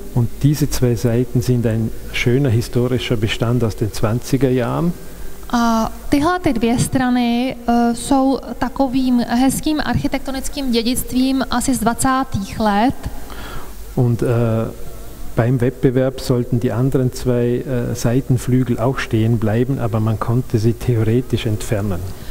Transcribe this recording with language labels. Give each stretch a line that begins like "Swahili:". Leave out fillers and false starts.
German: Und diese zwei Seiten sind ein schöner historischer Bestand aus den 20er Jahren.
Czech: A tyhle ty dvě strany jsou takovým hezkým architektonickým dědictvím asi z 20. let.
German: Und beim Wettbewerb sollten die anderen zwei Seitenflügel auch stehen bleiben, aber man konnte sie theoretisch entfernen.